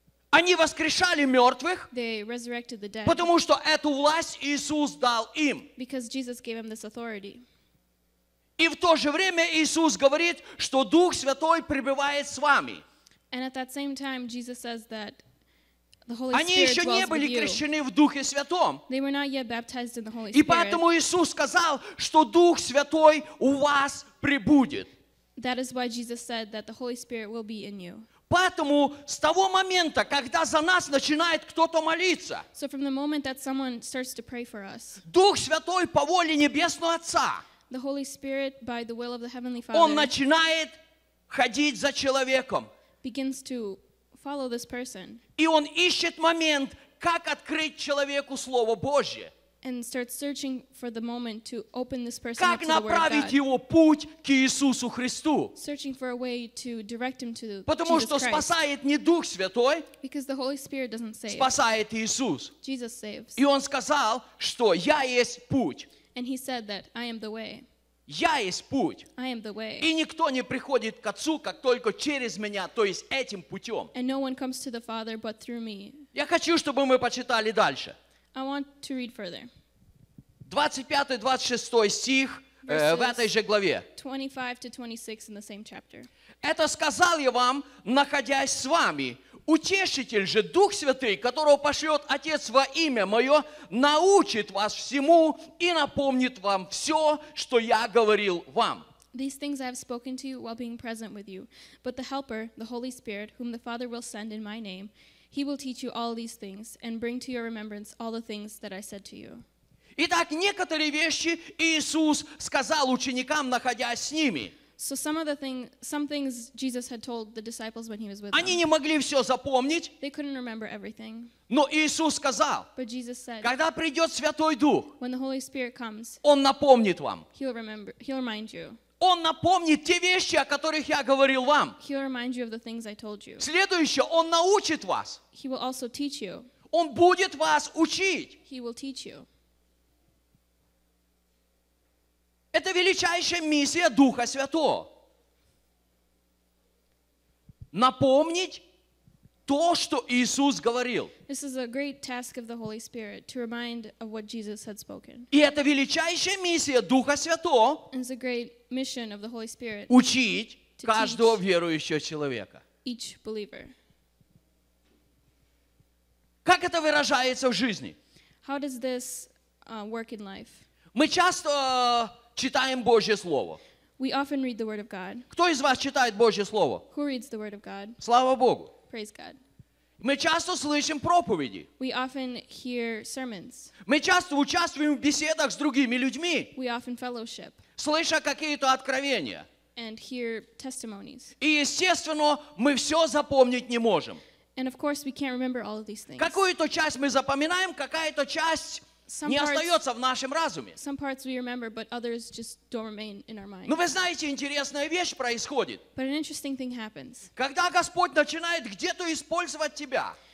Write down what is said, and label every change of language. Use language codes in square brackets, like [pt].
[ru] Они воскрешали мертвых. [en] They resurrected the dead. [ru] Потому что эту власть Иисус дал им. [en] Because Jesus gave them this authority. [ru] И в то же время Иисус говорит, что Дух Святой пребывает с вами. [en] And at that same time Jesus says that the Holy Spirit. [ru] Они еще не были крещены в Духе Святом. [en] They were not yet baptized in the Holy Spirit. [ru] И поэтому Иисус сказал, что Дух Святой у вас прибудет. [en] That is why Jesus said that the Holy Spirit will be in you. [ru] Поэтому с того момента, когда за нас начинает кто-то молиться, [en] so from the moment that someone starts to pray for us, [ru] Дух Святой по воле Небесного Отца, [en] the Holy Spirit, by the will of the Heavenly Father, [ru] он начинает ходить за человеком. [en] Begins to follow this person. [ru] И он ищет момент, как открыть человеку Слово Божье. [en] And starts searching for the moment to open this person [ru] как [en] up to [ru] направить [en] the word of God. [ru] Его путь к Иисусу Христу. [en] Searching for a way to direct him to [ru] Потому [en] Jesus Christ. [ru] Потому что спасает не Дух Святой. [en] Because the Holy Spirit doesn't save. [ru] Спасает Иисус. [en] Jesus saves. [ru] И он сказал, что я есть путь. [en] And he said that I am the way. [ru] Я есть путь. [en] I am the way. [ru] И никто не приходит к Отцу, как только через меня, то есть этим путем. [en] And no one comes to the Father but through me. [ru] Я хочу, чтобы мы почитали дальше. [en] I want to read further. [ru] 25-26 стих в этой же главе. [en] 25-26 in the same chapter. [ru] Это сказал я вам, находясь с вами. Утешитель же, Дух Святый, которого пошлет Отец во имя Мое, научит вас всему и напомнит вам все, что я говорил вам. [en] These things I have spoken to you while being present with you. But the Helper, the Holy Spirit, whom the Father will send in my name, he will teach you all these things and bring to your remembrance all the things that I said to you. [ru] Итак, некоторые вещи Иисус сказал ученикам, находясь с ними. [en] So some things Jesus had told the disciples when he was with [ru] Они [en] them. [ru] Не могли все запомнить. [en] They couldn't remember everything. [ru] Но Иисус сказал, [en] But Jesus said, [ru] когда придет Святой Дух, [en] when the Holy Spirit comes, [ru] Он напомнит вам. [en] He'll remind you. [ru] Он напомнит те вещи, о которых я говорил вам. [en] He'll remind you of the things I told you. [ru] Следующее, Он научит вас. [en] He will also teach you. [ru] Он будет вас учить. [en] He will teach you. [ru] Это величайшая миссия Духа Святого. Напомнить то, что Иисус говорил. [en] This is a great task of the Holy Spirit to remind of what Jesus had spoken. [ru] И это величайшая миссия Духа Святого. [en] And it's a great mission of the Holy Spirit. [ru] Учить каждого верующего человека. [en] Each believer. [ru] Как это выражается в жизни? [en] How does this work in life? [ru] Мы часто читаем Божье Слово. [en] We often read the Word of God. [ru] Кто из вас читает Божье Слово? [en] Who reads the Word of God? [ru] Слава Богу. [en] Praise God. [ru] Мы часто слышим проповеди. [en] We often hear sermons. [ru] Мы часто участвуем в беседах с другими людьми. [en] We often fellowship. [ru] Слыша какие-то откровения. [en] And hear testimonies. [ru] И, естественно, мы все запомнить не можем. [en] And of course we can't remember all of these things. [ru] Какую-то часть мы запоминаем, какая-то часть [en] Some [ru] не [en] parts, [ru] остается в нашем разуме. [en] Some parts we remember, but others just don't remain in our mind. [ru] Но вы знаете, интересная вещь происходит. [en] But an interesting thing happens. [ru] Когда Господь начинает где-то использовать тебя,